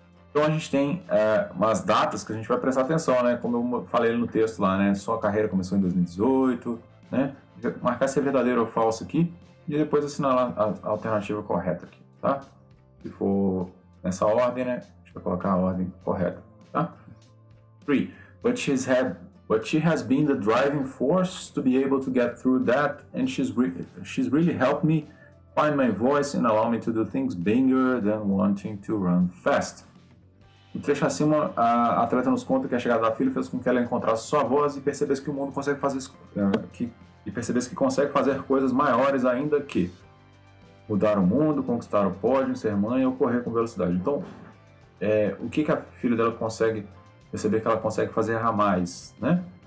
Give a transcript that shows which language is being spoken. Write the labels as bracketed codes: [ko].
[pt] Então a gente tem umas datas que a gente vai prestar atenção, né, como eu falei no texto lá, né, sua carreira começou em 2018, né, marcar se é verdadeiro ou falso aqui, e depois assinalar a alternativa correta aqui, tá? Se for nessa ordem, né, a gente vai colocar a ordem correta, tá? 3. [en] But she has been the driving force to be able to get through that, and she's really helped me find my voice and allow me to do things bigger than wanting to run fast. [pt] No trecho acima, a atleta nos conta que a chegada da filha fez com que ela encontrasse sua voz e percebesse que o mundo consegue fazer coisas maiores ainda que mudar o mundo, conquistar o pódio, ser mãe ou correr com velocidade. Então, o que que a filha dela consegue perceber que ela consegue fazer a mais, né?